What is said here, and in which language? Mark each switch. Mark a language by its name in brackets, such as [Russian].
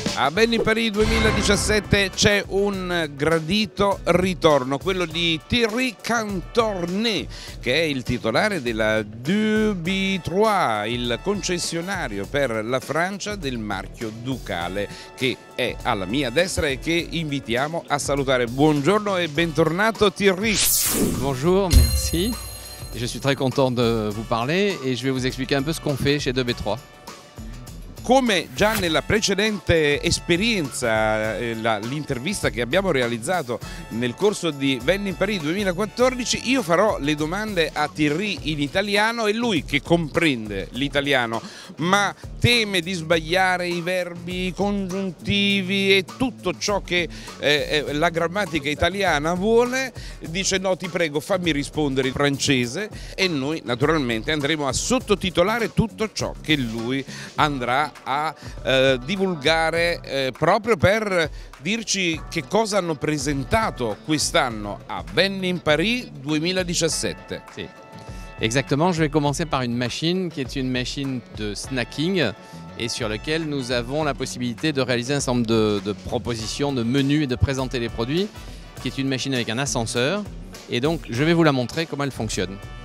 [Italian] Belli per il 2017 c'è un gradito ritorno, quello di Thierry Cantornet, che è il titolare della Dubitrois, il concessionario per la Francia del marchio Ducale, che è alla mia destra e che invitiamo a salutare. Buongiorno e bentornato Thierry. [French] Bonjour, merci. Je suis très content de vous parler et je vais vous expliquer un peu ce qu'on fait chez Dubitrois. [Italian] Come già nella precedente esperienza, l'intervista che abbiamo realizzato nel corso di Venni in Paris 2014, io farò le domande a Thierry in italiano e lui, che comprende l'italiano, ma teme di sbagliare i verbi congiuntivi e tutto ciò che la grammatica italiana vuole, dice: no, ti prego, fammi rispondere in francese, e noi naturalmente andremo a sottotitolare tutto ciò che lui andrà a divulgare, proprio per dirci che cosa hanno presentato quest'anno a Venni in Paris 2017. Sì. [French] Exactement, je vais commencer par une machine qui est une machine de snacking et sur laquelle nous avons la possibilité de réaliser un certain nombre de propositions, de menus et de présenter les produits, qui est une machine avec un ascenseur. Et donc, je vais vous la montrer comment elle fonctionne.